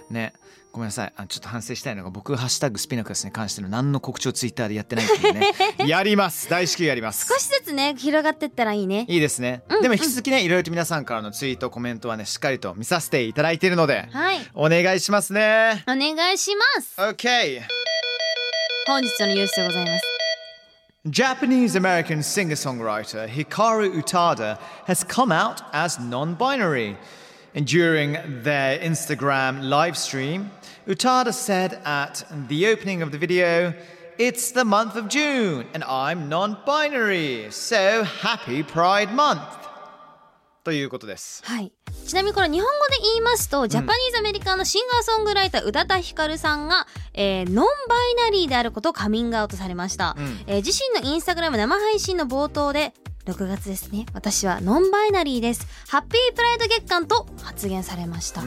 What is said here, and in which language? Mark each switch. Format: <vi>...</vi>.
<ja>ねごめんなさいあちょっと反省したいのが僕ハッシュタグスピナクラスに関しての何の告知をツイッターでやってないっていうねやります大至急やります少しずつね広がってったらいいねいいですねでも引き続きね、うんうん、いろいろと皆さんからのツイートコメントはねしっかりと見させていただいているので、はい、お願いしますねお願いします</ja> <en>OK</en> <ja>本日のニュースでございます</ja> <en>Japanese-American singer-songwriter Hikaru Utada has come out as non-binary. And during their Instagram live stream, Utada said at the opening of the video, It's the month of June and I'm non-binary, so happy Pride Month!</en> <ja>ということです。はい。ちなみにこれ日本語で言いますと、うん、ジャパニーズアメリカのシンガーソングライター宇多田ヒカルさんが、ノンバイナリーであることをカミングアウトされました、うん自身のインスタグラム生配信の冒頭で6月ですね私はノンバイナリーですハッピープライド月間と発言されました</ja>